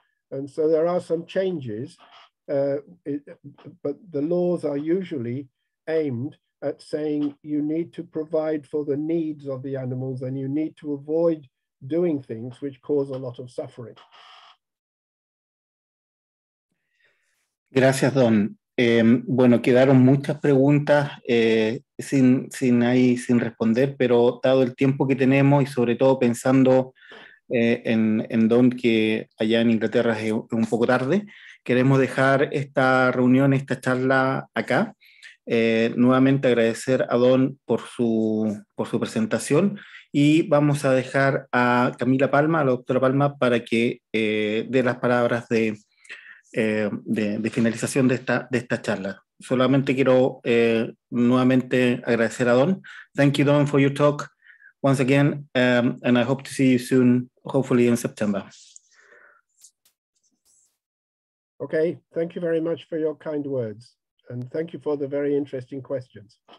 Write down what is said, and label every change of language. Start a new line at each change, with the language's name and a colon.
English: And so there are some changes, but the laws are usually aimed at saying you need to provide for the needs of the animals and you need to avoid doing things which cause a lot of suffering.
Spanish: Gracias, Don. Bueno, quedaron muchas preguntas sin responder, pero dado el tiempo que tenemos y sobre todo pensando en Don, que allá en Inglaterra es un poco tarde, queremos dejar esta reunión, esta charla acá. Nuevamente agradecer a Don por su presentación y vamos a dejar a Camila Palma, a la doctora Palma, para que dé las palabras de finalización de esta charla. Solamente quiero nuevamente agradecer a Don.
English: Thank you, Don, for your talk once again, and I hope to see you soon, hopefully in September. Okay, thank you very much for your kind words, and thank you for the very interesting questions.